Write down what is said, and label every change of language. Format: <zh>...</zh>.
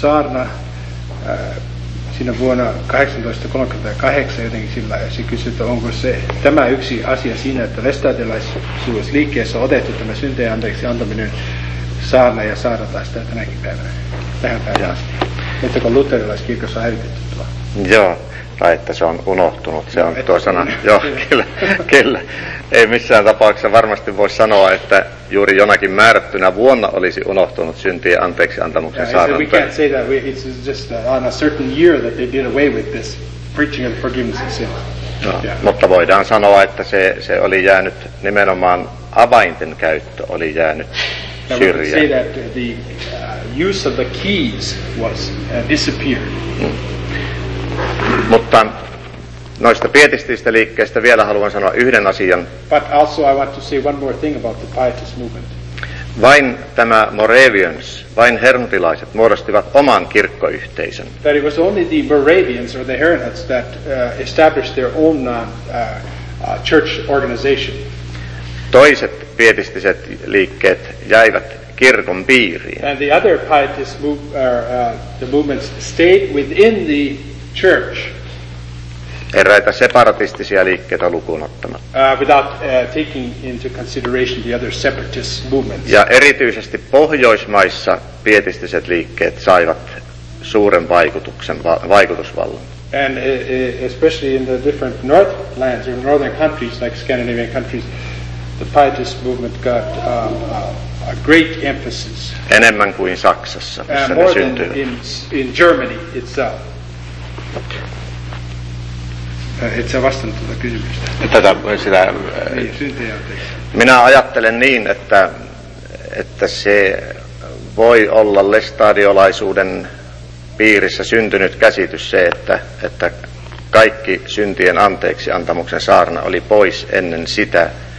<fi>saarna siinä vuonna 1838 jotenkin sillä, ja se kysyi, että onko se tämä yksi asia siinä, että lestadiolaisuusliikkeessä on otettu tämä syntien anteeksi antaminen saarna ja saarataan sitä tänäkin päivänä tähän päivään asti. Että kun luterilaiskirkossa on hävitetty tuo. Joo, tai että se on unohtunut, se on tuo sana. Joo, kyllä. Ei missään tapauksessa varmasti voi sanoa, että juuri jonakin määrättynä vuonna olisi unohtunut syntiä anteeksi antamuksen saarnan.</fi> <en>We can't say that. It's just on a certain year that they did away with this preaching of forgiveness of sins.</en> <fi>No, mutta voidaan sanoa, että se oli jäänyt, nimenomaan avainten käyttö oli jäänyt syrjään.</fi> <en>We can say that the use of the keys was disappeared.</en> <fi>Mutta noista pietististä liikkeistä vielä haluan sanoa yhden asian.</fi> <en>But also I want to say one more thing about the pietist movement.</en> <fi>Vain tämä Moravians, vain herntilaiset muodostivat oman kirkkoyhteisön.</fi> <en>That it was only the Moravians or the Herrnhuts that established their own church organization.</en> <fi>Toiset pietistiset liikkeet jäivät kirkon piiriin.</fi> <en>And the other pietist movements stayed within the church.</en> <fi>Eräitä separatistisia liikkeitä lukuun ottamatta.</fi> <en>Without taking into consideration the other separatist movements.</en> <fi>Ja erityisesti Pohjoismaissa pietistiset liikkeet saivat suuren vaikutusvallan.</fi> <en>And especially in the different north lands or northern countries like Scandinavian countries, the pietist movement got a great emphasis.</en> <fi>Enemmän kuin Saksassa, missä</fi> <en>more</en> <fi>ne syntyivät.</fi> <en>Than in Germany itself.</en> <fi>Et sä vastannut tuota kysymystä. Minä ajattelen niin, että se voi olla lestadiolaisuuden piirissä syntynyt käsitys se, että kaikki syntien anteeksi antamuksen saarna oli pois ennen sitä.</fi>